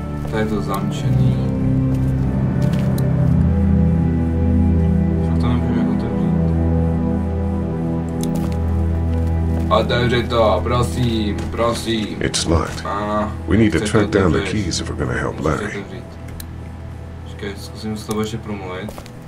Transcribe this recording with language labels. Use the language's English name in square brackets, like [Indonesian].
[Czech] Tady je to zamčený. Proto nemůžeme otevřít. Otevři to, prosím, prosím. [English] It's locked. We need to track down the keys if we're gonna help Larry. [Czech] Okay, zkusím s tobou ještě promluvit.